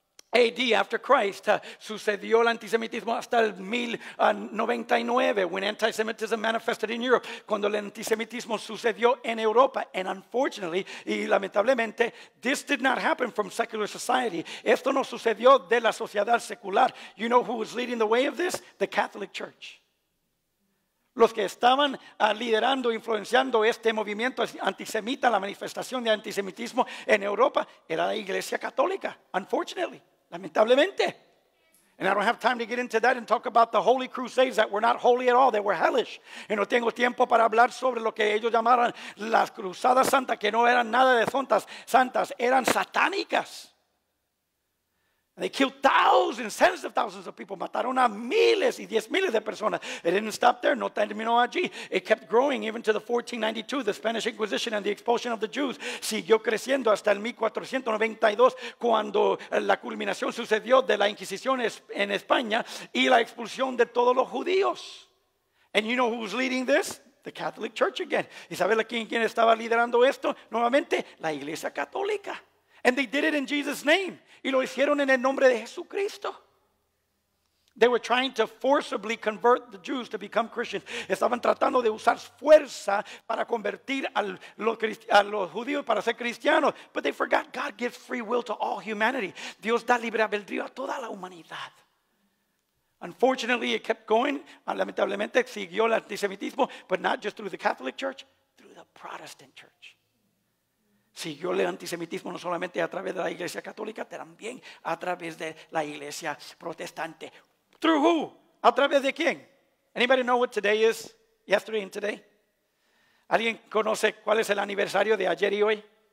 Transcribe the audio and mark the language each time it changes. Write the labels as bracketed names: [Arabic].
[English] AD after Christ, [Spanish] sucedió el antisemitismo hasta el 1099 [English] when anti-Semitism manifested in Europe, [Spanish] cuando el antisemitismo sucedió en Europa. [English] And unfortunately, [Spanish] y lamentablemente, [English] this did not happen from secular society. [Spanish] Esto no sucedió de la sociedad secular. [English] You know who was leading the way of this? The Catholic Church. [Spanish] Los que estaban liderando, influenciando este movimiento antisemita, la manifestación de antisemitismo en Europa, era la Iglesia Católica, [English] unfortunately. [Spanish] Lamentablemente. [English] And I don't have time to get into that and talk about the holy crusades that were not holy at all, they were hellish. [Spanish] Y no tengo tiempo para hablar sobre lo que ellos llamaron las cruzadas santas, que no eran nada de santas, eran satánicas. [English] And they killed thousands, tens of thousands of people. [Spanish] Mataron a miles y diez miles de personas. [English] It didn't stop there. [Spanish] No terminó allí. [English] It kept growing even to the 1492, the Spanish Inquisition and the expulsion of the Jews. [Spanish] Siguió creciendo hasta el 1492, cuando la culminación sucedió de la Inquisición en España y la expulsión de todos los judíos. [English] And you know who's leading this? The Catholic Church again. [Spanish] ¿Y sabes quién estaba liderando esto? Nuevamente, la Iglesia Católica. [English] And they did it in Jesus' name. [Spanish] Y lo hicieron en el nombre de Jesucristo. [English] They were trying to forcibly convert the Jews to become Christians. [Spanish] Estaban tratando de usar fuerza para convertir a los judíos para ser cristianos. [English] But they forgot God gives free will to all humanity. [Spanish] Dios da libre albedrío a toda la humanidad. [English] Unfortunately, it kept going. [Spanish] Lamentablemente, siguió el antisemitismo. [English] But not just through the Catholic Church, through the Protestant Church. [Spanish] Siguió el antisemitismo no solamente a través de la Iglesia Católica, también a través de la Iglesia Protestante. [English] ¿Through who? [Spanish] ¿A través de quién? [English] ¿Anybody know what today is? ¿Yesterday and today? [Spanish] ¿Alguien conoce cuál es el aniversario de ayer y hoy?